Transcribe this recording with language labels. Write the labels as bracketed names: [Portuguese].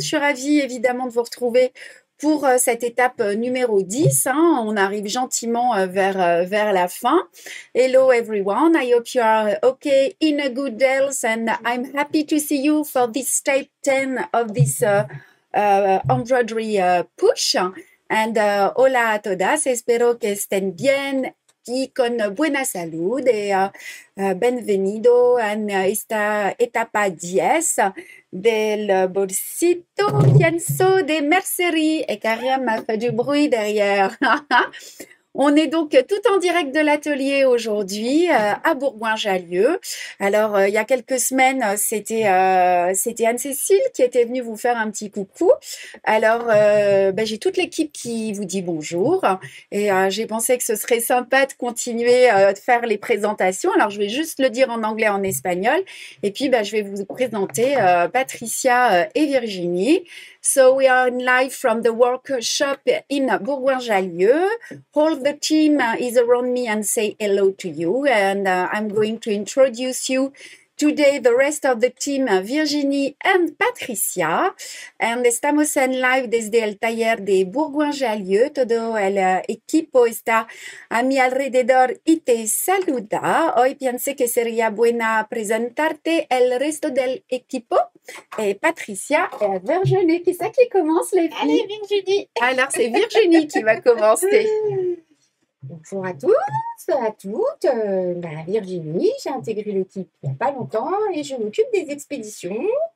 [French] Je suis ravie, évidemment, de vous retrouver pour cette étape numéro 10. Hein. On arrive gentiment vers la fin. [English] Hello, everyone. I hope you are okay, in a good health. And I'm happy to see you for this step 10 of this embroidery push. [Spanish] And hola a todas. Espero que estén bien. Y con buena salud y bienvenido en esta etapa 10 del bolsito pienso de mercerie. [French] Et Karim a fait du bruit derrière. On est donc tout en direct de l'atelier aujourd'hui à Bourgoin-Jallieu. Alors, il y a quelques semaines, c'était Anne-Cécile qui était venue vous faire un petit coucou. Alors, j'ai toute l'équipe qui vous dit bonjour et j'ai pensé que ce serait sympa de continuer de faire les présentations. Alors, je vais juste le dire en anglais, en espagnol. Et puis, je vais vous présenter Patricia et Virginie. [English] So, we are in live from the workshop in Bourgoin-Jallieu. All the team is around me and say hello to you. And I'm going to introduce you today, the rest of the team, Virginie and Patricia. [Spanish] And estamos en live desde el taller de Bourgoin-Jallieu. Todo el equipo está a mi alrededor y te saluda. Hoy pensé que sería buena presentarte el resto del equipo. [French] Et Patricia et Virginie, qui c'est qui commence les filles? Allez Virginie! Alors c'est Virginie qui va commencer. Bonjour à tous, à toutes. Virginie, j'ai intégré l'équipe il n'y a pas longtemps et je m'occupe des expéditions.